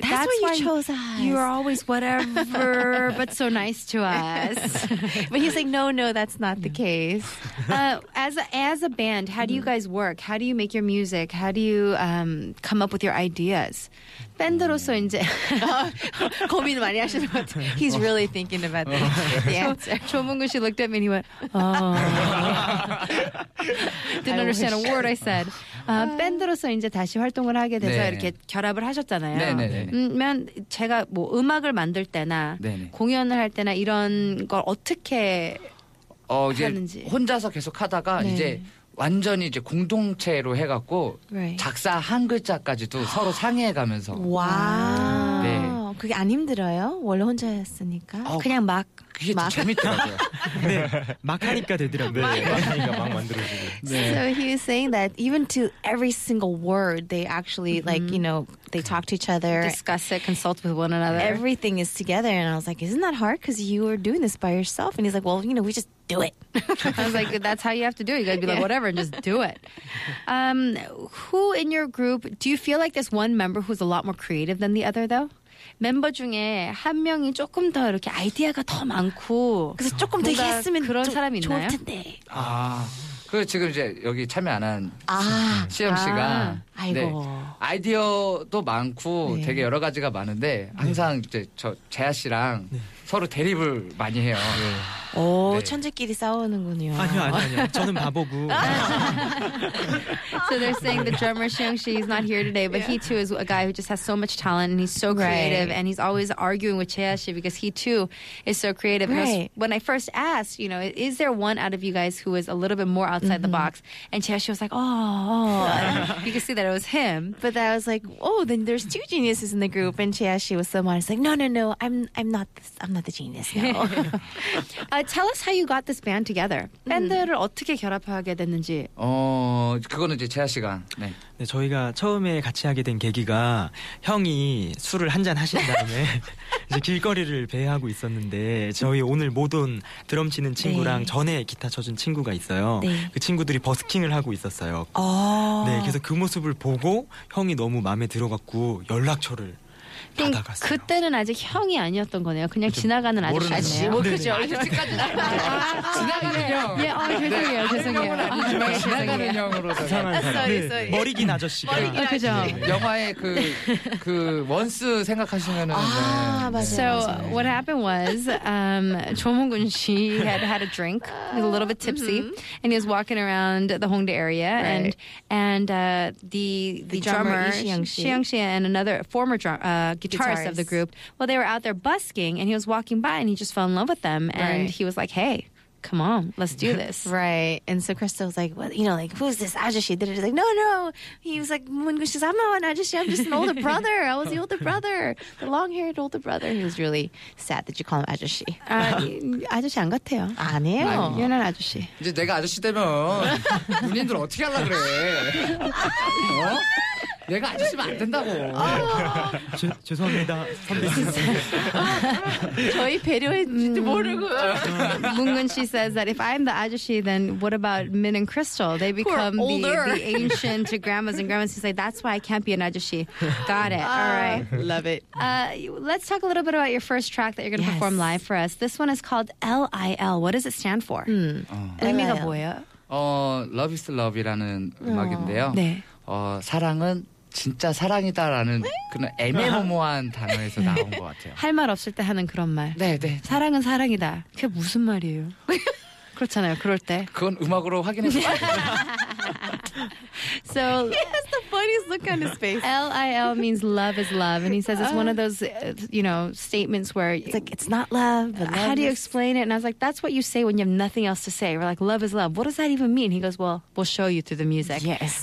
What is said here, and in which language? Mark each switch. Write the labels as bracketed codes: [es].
[en] That's why you chose us. You're always whatever, but so nice to us. But he's like, no, that's not the case. As a band, how do you guys work? How do you make your music? How do you come up with your ideas? [ko] 밴드로서 이제 고민 많이 하시는 것 같아요. [en] He's really thinking about this. The answer. 조문근 씨 looked at me and he went, didn't understand a word I said. [ko] 밴드로서 이제 다시 활동을 하게 돼서 이렇게 결합을 하셨잖아요. 그러면 제가 뭐 음악을 만들 때나 공연을 할 때나 이런 걸 어떻게 하는지 혼자서 계속 하다가 이제 완전히 이제 공동체로 해갖고 작사 한 글자까지도 서로 상의해가면서 와 네. 그게 안 힘들어요? 원래 혼자 했으니까 그냥 막 그게 막. 재밌더라고요. 네, 막 하니까 되더라고요. 네, 막 하니까 막 만들어지고. 네. [en] So he was saying that even to every single word, they actually like you know they talk to each other, discuss it, consult with one another. Everything is together, and I was like, isn't that hard? Because you were doing this by yourself, and he's like, well, you know, we just do it. I was like, that's how you have to do it. You gotta be like, whatever, and just do it. Who in your group do you feel like this one member who's a lot more creative than the other though? [ko] 멤버 중에 한 명이 조금 더 이렇게 아이디어가 더 많고 그래서 조금 더 했으면 그런 사람이 있나요? 좋을 텐데. 아, 그 지금 이제 여기 참여 안 한 시영 씨가 아이고. 네, 아이디어도 많고 네. 되게 여러 가지가 많은데 항상 이제 저 재하 씨랑 서로 대립을 많이 해요. 네. 오, 네. 천재끼리 싸우는군요. 아니요. 저는 바보고. [en] So they're saying the drummer, Xiong Shi, is not here today, but he too is a guy who just has so much talent and he's so creative and he's always arguing with Chae Shi because he too is so creative. Right. When I first asked, you know, is there one out of you guys who is a little bit more outside the box? And Chae Shi was like, oh. You can see that it was him. But I was like, oh, then there's two geniuses in the group. And Chae Shi was someone who's like, no, I'm not the genius, no. tell us how you got this band together. [ko] 밴드를 어떻게 결합하게 됐는지. 그거는 이제 재하 씨가. 네. 네, 저희가 처음에 같이 하게 된 계기가 형이 술을 한잔 하신 다음에 이제 길거리를 배회하고 있었는데 저희 오늘 못 온 드럼 치는 친구랑 네. 전에 기타 쳐준 친구가 있어요. 네. 그 친구들이 버스킹을 하고 있었어요. 네, 그래서 그 모습을 보고 형이 너무 마음에 들어갖고 연락처를 그때는 아직 형이 아니었던 거네요. 그냥 그쵸. 지나가는 아저씨예요. 뭐 그죠? 아저씨까지 지나가는 형. 예, 죄송해요. 지나가는 형으로 이상한 사람. 머리긴 아저씨. 그죠? 영화의 그 원스 생각하시면 아 맞아요. [en] So what happened was, 조문근 씨 had a drink, he was a little bit tipsy, and he was walking around the Hongdae area, and the drummer, Xiong Shi, and another former drummer. Guitarist of the group. Well, they were out there busking, and he was walking by, and he just fell in love with them. And he was like, "Hey, come on, let's do this." Right. And so Crystal was like, "What? Well, you know, like who's this Ajashi?" Then he's like, "No." He was like, "Mungu says I'm not an Ajashi. I'm just an older brother. I was the older brother, the long-haired older brother." He was really sad that you call him Ajashi. [ko] 아저씨 안 같아요. 아니에요. 유난 아저씨. 이제 내가 아저씨 되면 누님들 어떻게 하려 그래? 어? 내가 아저씨면 안 된다고. 죄송합니다. 저희 배려했는지 모르고. [en] Moon-gun Shi says that if I'm the ajushi, then what about Min and Crystal? They become the ancient grandmas and grandmas. He's like, that's why I can't be an ajushi. Got it. All right. Love it. Let's talk a little bit about your first track that you're going to perform live for us. This one is called L.I.L. What does it stand for? [ko] 의미가 뭐예요? Love is Love이라는 음악인데요. 네. 사랑은 진짜 사랑이다라는 그런 애매모호한 단어에서 나온 것 같아요. 할 말 없을 때 하는 그런 말. 네. 사랑은 사랑이다. 그게 무슨 말이에요? 그렇잖아요. 그럴 때. 그건 음악으로 확인해서 봐야 돼요. [en] So he has the funniest look on his face. L-I-L means love is love. And he says it's one of those, you know, statements where it's like, it's not love, but love. How do you explain it? And I was like, that's what you say when you have nothing else to say. We're like, love is love. What does that even mean? He goes, well, we'll show you through the music. Yes.